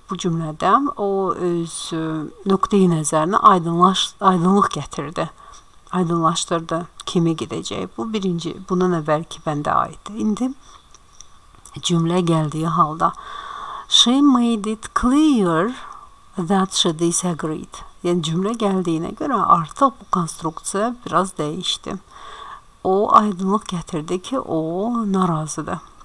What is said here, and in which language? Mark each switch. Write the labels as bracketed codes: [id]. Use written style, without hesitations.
[az] Bu cümlədə o öz nöqteyi nəzərinə aydınlıq gətirdi. Aydınlaşdırdı kimi gidəcək. Bu birinci, bundan əvvəlki bəndə aiddir. İndi cümlə gəldiyi halda. [en] She made it clear that she disagreed. [az] Yəni cümlə gəldiyinə görə artıq bu konstruksiya biraz dəyişdi. O aydınlıq gətirdi ki, o narazıdır.